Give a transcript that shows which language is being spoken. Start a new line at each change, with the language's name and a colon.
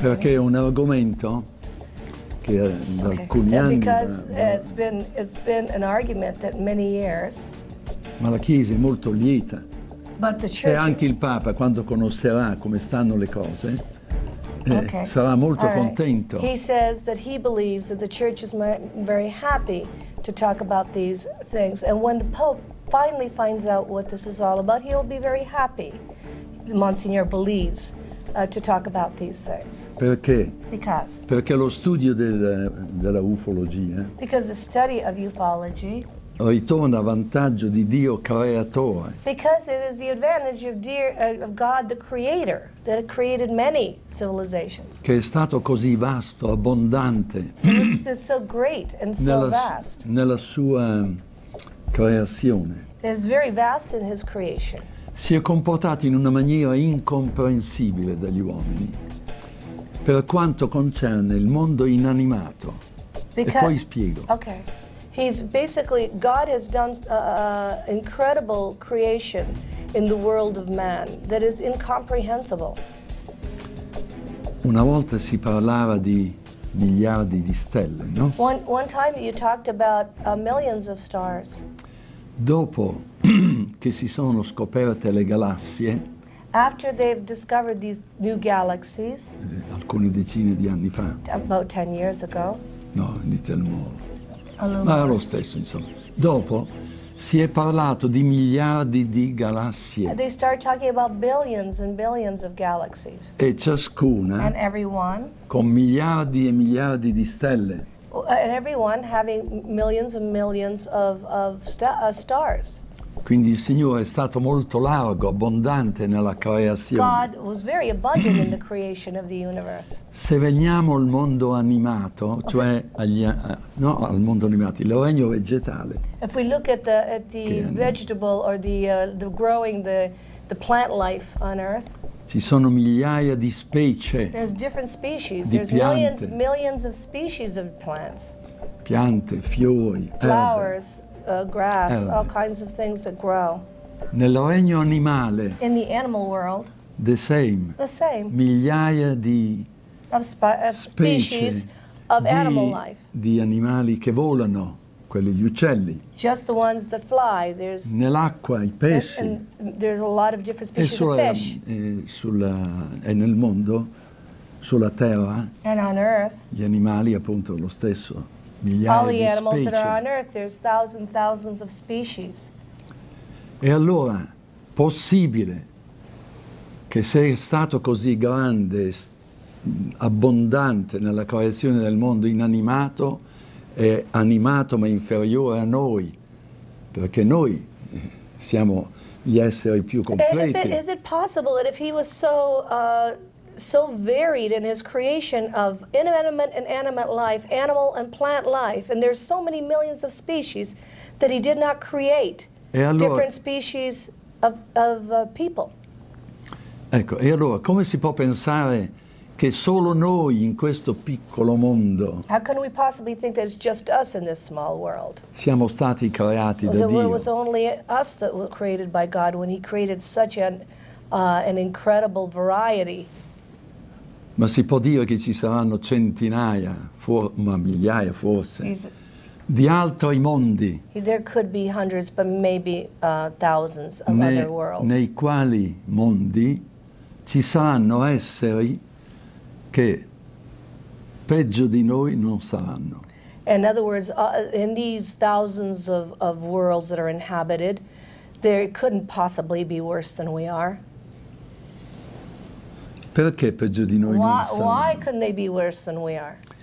Italian: Perché è un argomento che da alcuni anni.
English: Because it's been an argument that many years.
Italian: Ma la Chiesa è molto lieta.
English: But the church.
Italian: E anche il Papa, quando conoscerà come stanno le cose, sarà molto contento.
English: He says that he believes that the church is very happy to talk about these things, and when the Pope finally finds out what this is all about, he'll be very happy, Monsignor believes, to talk about these things.
Italian: Perché?
English: Because.
Italian: Perché lo studio della ufologia.
English: Because the study of ufology.
Italian: Ritorna a vantaggio di Dio creatore.
English: Because it is the advantage of God the Creator that created many civilizations.
Italian: Che è stato così vasto, abbondante.
English: It's so great and so vast.
Italian: Nella sua creazione.
English: It is very vast in his creation.
Italian: Si è comportato in una maniera incomprensibile dagli uomini per quanto concerne il mondo inanimato.
English: Because,
Italian: e poi spiego.
English: Okay. He's basically, God has done incredible creation in the world of man that is incomprehensible.
Italian: Una volta si parlava di miliardi di stelle, no?
English: One time you talked about millions of stars.
Italian: Dopo che si sono scoperte le galassie,
English: after they've discovered these new galaxies,
Italian: alcune decine di anni fa,
English: about 10 years ago,
Italian: no, diciamo. Ma lo stesso, insomma. Dopo si è parlato di miliardi di galassie.
English: They start talking about billions and billions of galaxies.
Italian: E ciascuna.
English: And everyone.
Italian: Con miliardi e miliardi di stelle.
English: And everyone having millions and millions of stars.
Italian: Quindi il Signore è stato molto largo, abbondante nella creazione.
English: God was very abundant in the creation of the universe.
Italian: Se veniamo al mondo animato, cioè al mondo animato, il regno vegetale.
English: If we look at the vegetable or the growing the plant life on earth.
Italian: Ci sono migliaia di specie.
English: There's different species.
Italian: Di
English: There's
Italian: piante.
English: millions of species of plants.
Italian: Piante, fiori,
English: flowers.
Italian: Erbe.
English: Grass, erbe. All kinds of things that grow.
Italian: Nel regno animale.
English: In the animal world. The same. The same.
Italian: Migliaia di
English: species of animal life.
Italian: Di animali che volano, quelli gli uccelli.
English: Just the ones that fly. There's.
Italian: Nell'acqua I pesci.
English: And there's a lot of different species
Italian: e sulla,
English: of fish.
Italian: E nel mondo, sulla terra.
English: And on earth.
Italian: Gli animali appunto lo stesso.
English: All the animals that are on earth, there's thousands and thousands of species.
Italian: E allora, possibile che se è stato così grande, abbondante nella creazione del mondo inanimato, è animato ma inferiore a noi, perché noi siamo gli esseri più completi.
English: Is it possible that if he was so varied in his creation of inanimate and animate life, animal and plant life, and there's so many millions of species that he did not create
Italian: allora,
English: different species of people.
Italian: Ecco, e allora come si può pensare che solo noi in questo piccolo mondo?
English: How can we possibly think that it's just us in this small world?
Italian: Siamo stati creati da Dio.
English: It was only us that were created by God when He created such an incredible variety.
Italian: Ma si può dire che ci saranno centinaia, ma migliaia forse, di altri mondi.
English: There could be hundreds, but maybe thousands of other worlds.
Italian: Nei quali mondi ci saranno esseri che peggio di noi non saranno.
English: In other words, in these thousands of worlds that are inhabited, there couldn't possibly be worse than we are.
Italian: Perché peggio di noi
English: why,
Italian: non saranno?
English: Why couldn't they be worse than we are?